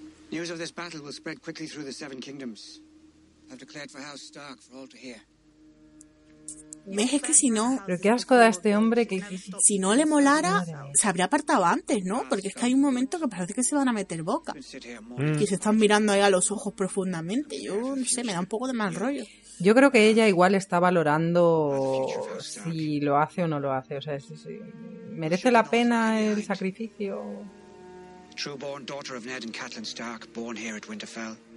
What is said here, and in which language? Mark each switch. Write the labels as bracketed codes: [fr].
[en] News of this battle will spread quickly through the Seven Kingdoms. I've declared for House Stark for all to hear. [es] ¿Ves? Es que si no... Pero qué asco da este hombre que... Si no le molara, se habría apartado antes, ¿no? Porque es que hay un momento que parece que se van a meter boca. Y se están mirando ahí a los ojos profundamente. Yo no sé, me da un poco de mal rollo. Yo creo que ella igual está valorando si lo hace o no lo hace. O sea, si merece la pena el sacrificio. [en] Trueborn, daughter of Ned and Catelyn Stark, born here at Winterfell.